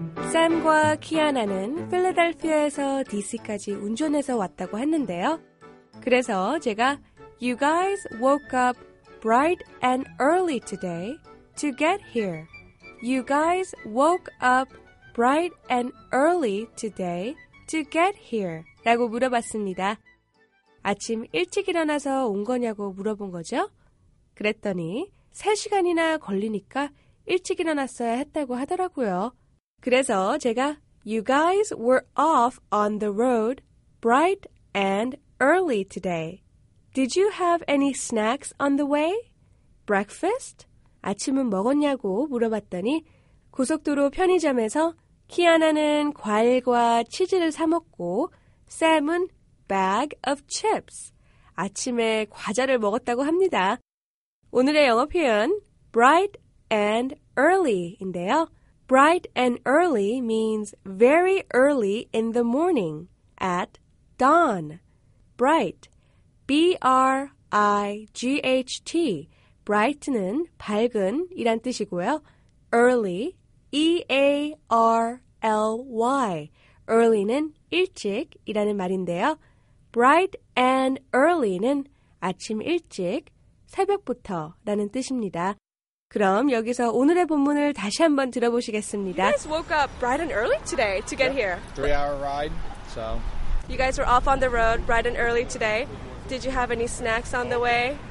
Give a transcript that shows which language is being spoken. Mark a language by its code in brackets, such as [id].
[ko] Sam과 Kiana는 필라델피아에서 DC까지 운전해서 왔다고 했는데요. 그래서 제가 [en] You guys woke up bright and early today to get here. You guys woke up bright and early today to get here. [ko] 라고 물어봤습니다. 아침 일찍 일어나서 온 거냐고 물어본 거죠. 그랬더니 3시간이나 걸리니까 일찍 일어났어야 했다고 하더라고요. 그래서 제가 [en] You guys were off on the road bright and early today. Did you have any snacks on the way? [ko] Breakfast? 아침은 먹었냐고 물어봤더니 고속도로 편의점에서 키아나는 과일과 치즈를 사 먹고 샘은 [en] bag of chips. [ko] 아침에 과자를 먹었다고 합니다. 오늘의 영어 표현 bright and early인데요. [en] Bright and early means very early in the morning, at dawn. Bright, B-R-I-G-H-T. [ko] Bright는 밝은이란 뜻이고요. Early, E-A-R-L-Y. Early는 일찍이라는 말인데요. Bright and early는 아침 일찍, 새벽부터라는 뜻입니다. 그럼 여기서 오늘의 본문을 다시 한번 들어보시겠습니다. [en] You guys woke up bright and early today to get here. 3-hour ride, so. You guys were off on the road bright and early today. Did you have any snacks on the way?